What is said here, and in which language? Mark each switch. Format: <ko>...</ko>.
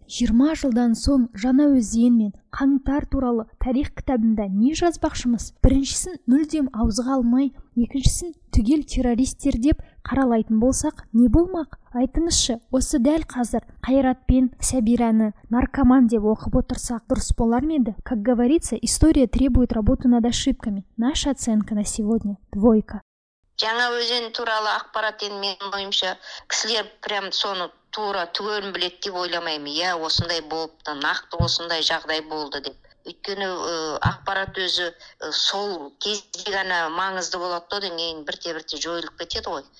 <kk>20 жылдан соң жаңа өзен мен қаңтар туралы тарих кітабында не жазбақшымыз? Біріншісін мүлдем ауызға алмай, екіншісін түгел террористтер деп қаралайтын болсақ, не болмақ? Айтыңызшы, осы дәл қазір Қайрат пен Сәбираны наркоман деп оқып отырсақ, дұрыс болар ма еді?</kk> <ru>Как говорится, история требует работы над ошибками. Наша оценка на сегодня – двойка.</ru> <kk>Жаңа өзен туралы ақпарат енді менің ойымша, кісілер прям соны тура түгелін білет деп ойламаймын. Я, осындай болыпты, нақты осындай жағдай болды деп. Өйткені ақпарат өзі сол кезде ғана маңызды болады да, одан кейін бірте-бірте жойылып кетеді ғой.</kk>